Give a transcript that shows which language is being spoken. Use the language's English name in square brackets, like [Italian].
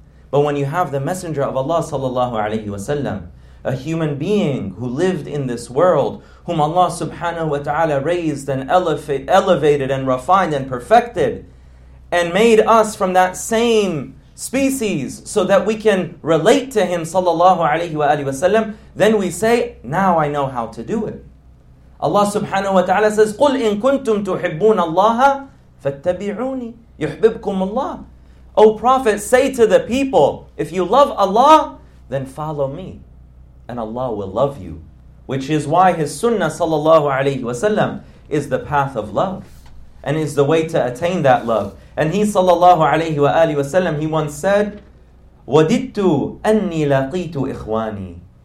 [English] But when you have the Messenger of Allah sallallahu alayhi wasallam, a human being who lived in this world, whom Allah subhanahu wa ta'ala raised and elevated and refined and perfected, and made us from that same species so that we can relate to Him sallallahu alayhi wa alihi wasallam, then we say, now I know how to do it. Allah subhanahu wa ta'ala says, [Arabic] قُلْ إِن كُنْتُمْ تُحِبُّونَ اللَّهَ فَاتَّبِعُونِي يُحْبِبْكُمُ اللَّهِ. [English] O Prophet, say to the people, if you love Allah, then follow me and Allah will love you. Which is why His sunnah sallallahu alayhi wasallam is the path of love and is the way to attain that love. And he sallallahu alayhi wa alihi wa sallam, he once said, [Arabic] وَدِدْتُ أَنِّي لَقِيتُ إِخْوَانِي.